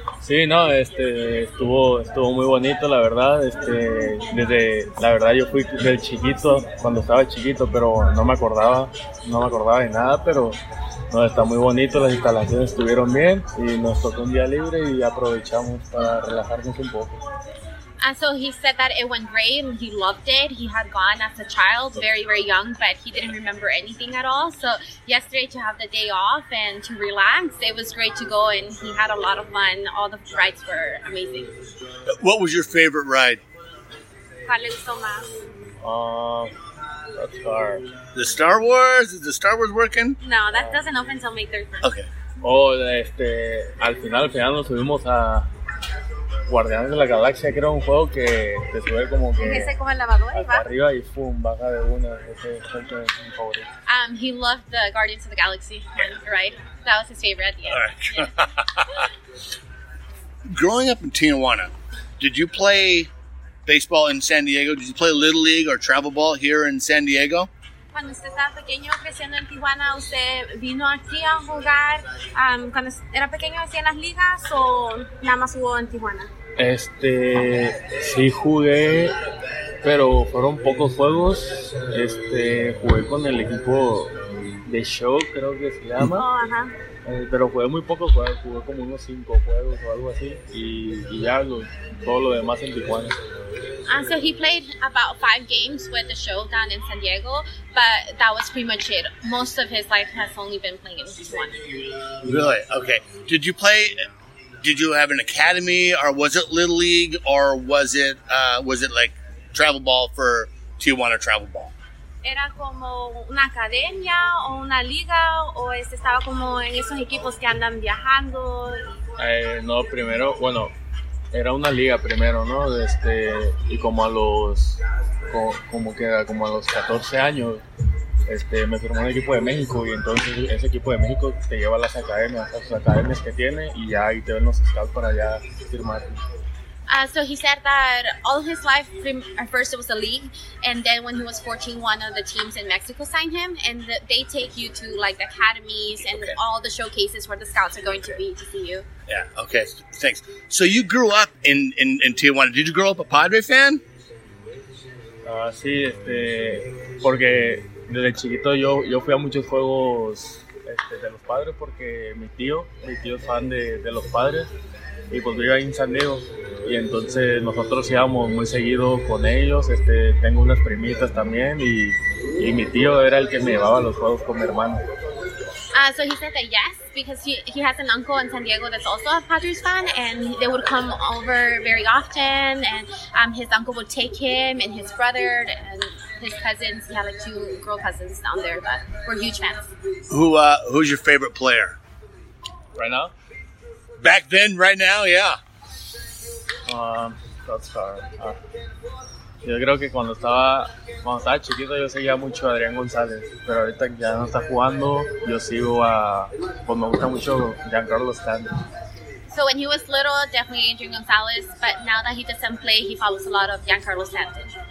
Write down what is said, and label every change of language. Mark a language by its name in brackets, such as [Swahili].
[Spanish] Sí, no, estuvo muy bonito, la verdad. Yo fui desde chiquito, cuando estaba chiquito, pero no me acordaba de nada, pero no, está muy bonito, las instalaciones estuvieron bien y nos tocó un día libre y aprovechamos para relajarnos un poco. [English] And so he said that it went great and he loved it. He had gone as a child, very, very young, but he didn't remember anything at all. So yesterday to have the day off and to relax, it was great to go and he had a lot of fun. All the rides were amazing. What was your favorite ride? [Spanish] ¿Cuál le gustó más? [English] That's hard. The Star Wars? Is the Star Wars working? No, that doesn't open until May 31st. Okay. [Spanish] Al final nos subimos a Guardianes de la Galaxia, que era un juego que te sube como que ese como el lavador, hasta arriba y pum, baja de una. Ese es el que es mi favorito. [English] He loved the Guardians of the Galaxy, right? That was his favorite at the end. Growing up in Tijuana, did you play baseball in San Diego? Did you play Little League or travel ball here in San Diego? [Spanish] Cuando usted estaba pequeño creciendo en Tijuana, usted vino aquí a jugar. Cuando era pequeño hacía en las ligas o nada más jugó en Tijuana. Sí jugué, pero fueron pocos juegos. Jugué con el equipo de Show, creo que se llama. Oh, ajá. Pero jugué muy pocos juegos, jugué como unos 5 juegos o algo así. Y ya todo lo demás en Tijuana. [English] So he played about 5 games with the Show down in San Diego, but that was pretty much it. Most of his life has only been playing in Tijuana. Really? Okay. Did you have an academy, or was it Little League, or was it like travel ball for Tijuana travel ball? [Spanish] Era como una academia o una liga, o estaba como en esos equipos que andan viajando. No, primero, bueno, era una liga primero, ¿no? Y como a los, como a los 14 años, me firmó un equipo de México, y entonces ese equipo de México te lleva a las academias, a sus academias que tiene, y ya ahí te ven los scouts para allá firmar. [English] So he said that all his life, at first it was a league, and then when he was 14, one of the teams in Mexico signed him, and they take you to like the academies and okay. All the showcases where the scouts are going to be to see you. Yeah, okay, thanks. So you grew up in Tijuana. Did you grow up a Padre fan? [Spanish] Sí, porque desde chiquito yo fui a muchos juegos de los Padres, porque mi tío es fan de los Padres, y pues vivía en San Diego. Y entonces nosotros íbamos muy seguido con ellos, tengo unas primitas también y mi tío era el que me llevaba los juegos con mi hermano. [English] So he said that yes, because he has an uncle in San Diego that's also a Padres fan, and they would come over very often, and his uncle would take him and his brother and his cousins. He had like 2 girl cousins down there, but we're huge fans. Who's your favorite player? Right now? Back then, right now, yeah. That's hard. [Spanish] Yo creo que cuando estaba cuando estaba chiquito yo seguía mucho a Adrián González, pero ahorita que ya no está jugando, yo sigo a, pues me gusta mucho Giancarlo Stanton. [English] So when he was little, definitely Adrian Gonzalez, but now that he doesn't play, he follows a lot of Giancarlo Stanton.